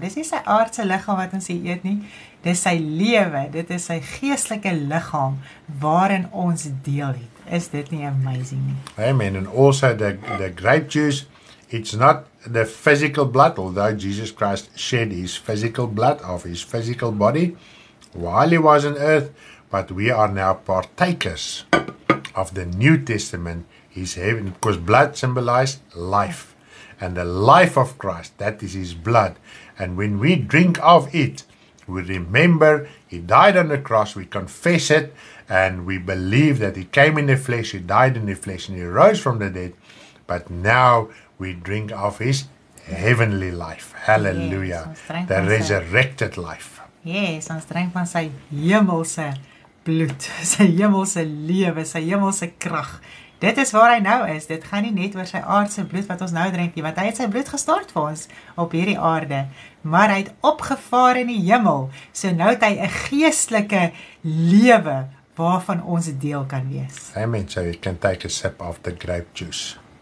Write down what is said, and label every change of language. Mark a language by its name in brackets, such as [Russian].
[Afrikaans] Dis nie sy aardse liggaam wat ons hier eet nie. Dis sy lewe. Dit is sy geestelike liggaam waarin ons deel het. Is dit nie amazing nie? Amen. [English] And also the grape juice, it's not the physical blood, although Jesus Christ shed his physical blood of his physical body while he was on earth, but we are now partakers of the New Testament. His heaven, because blood symbolized life. And the life of Christ, that is his blood. And when we drink of it, we remember he died on the cross, we confess it, and we believe that he came in the flesh, he died in the flesh, and he rose from the dead. But now we drink of his heavenly life. Hallelujah. Yes, the resurrected life. [Afrikaans] Yes, ons drink van sy hemelse bloed, sy hemelse lewe, sy hemelse krag. Dit is waar hy nou is. Dit gaan nie net oor sy aardse bloed wat ons nou drink nie, want hy het sy bloed gestort vir ons op hierdie aarde. Maar hy het opgevaar in die hemel, so nou het hy 'n geestelike lewe waarvan ons deel kan wees. [English] Amen, so you can take a sip of the grape juice.